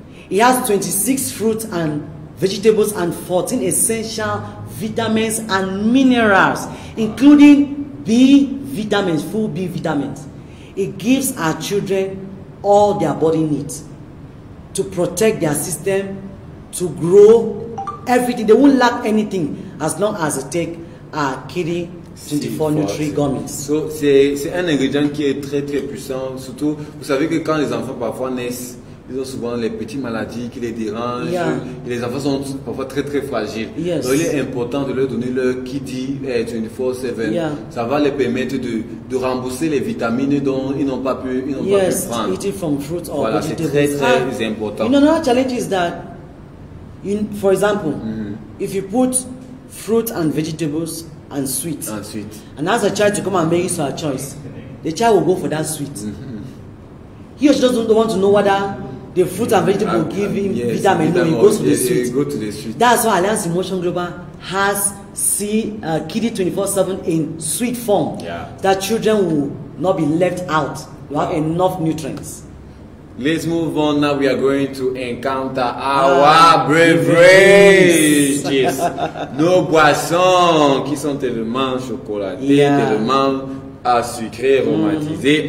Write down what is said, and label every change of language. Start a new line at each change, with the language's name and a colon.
English: It has 26 fruits and vegetables and 14 essential vitamins and minerals, including B vitamins, full B vitamins. It gives our children all their body needs. To protect their system, to grow everything. They won't lack anything as long as they take our kiddie 24 Nutri gummies.
French: So, c'est un ingrédient qui est très très puissant. Surtout, vous savez que quand les enfants parfois naissent, ils ont souvent les petites maladies qui les dérangent.
English: Yeah.
French: Et les enfants sont parfois très très fragiles.
English: Yes.
French: Donc il est important de leur donner leur kiddie 24/7.
English: Yeah.
French: Ça va les permettre de rembourser les vitamines dont ils n'ont pas pu ils n'ont
English: yes.
French: pas pu prendre.
English: Eating from fruits or
French: voilà,
English: vegetables.
French: C'est très très important.
English: You know, another challenge is that, for example, if you put fruit and vegetables and sweets, and ask a child to come and make it a choice, the child will go for that sweet. He or she doesn't want to know whether the fruit and vegetable will give him vitamin. No, he goes to the sweet. Go to the sweet. That's why Alliance Emotion Global has Kiddie 24/7 in sweet form. Yeah. That children will not be left out. You have enough nutrients. Let's move on. Now we are going to encounter our beverages.
French: Nos boissons qui sont tellement chocolatées, tellement à sucré aromatisé.